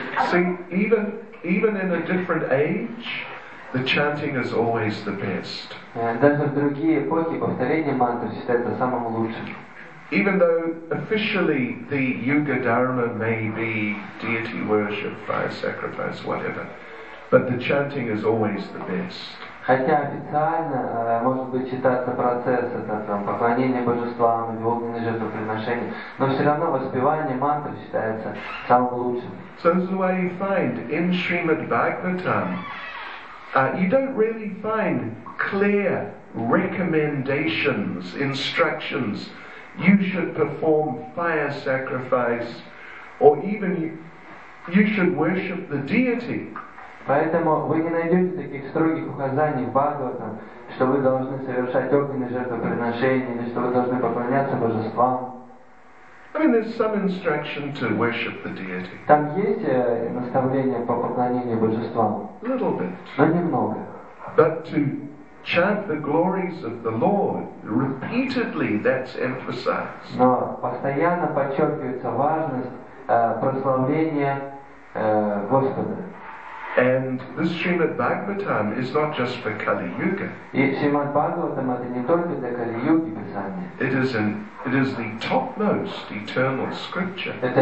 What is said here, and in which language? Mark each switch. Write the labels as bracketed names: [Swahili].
[English] See, even in a different age, the chanting is always the best. [Russian] Даже в другие эпохи повторение мантры считается самым лучшим. [English] Even though officially the Yuga Dharma may be deity worship, fire sacrifice, whatever, but the chanting is always the best. [Russian] Хотя официально может быть считаться процесс это там поклонение божествам и огненные жертвоприношения, но все равно воспевание мантры считается самым лучшим. [English] So this is why you find in Srimad Bhagavatam. You don't really find clear recommendations, instructions. You should perform fire sacrifice, or even you should worship the deity. [Russian] Поэтому вы не найдете таких строгих указаний в Бхагаватам, что вы должны совершать огненные жертвоприношения или что вы должны поклоняться божествам. [English] I mean, there's some instruction to worship the deity. [Russian] Там есть наставление по поклонению божествам. [English] Little bit. [Russian] Но немного. [English] But to chant the glories of the Lord repeatedly, that's emphasized. [Russian] Но постоянно подчеркивается важность прославления Господа. [English] And this Srimad Bhagavatam is not just for Kali Yuga. It is the topmost eternal scripture.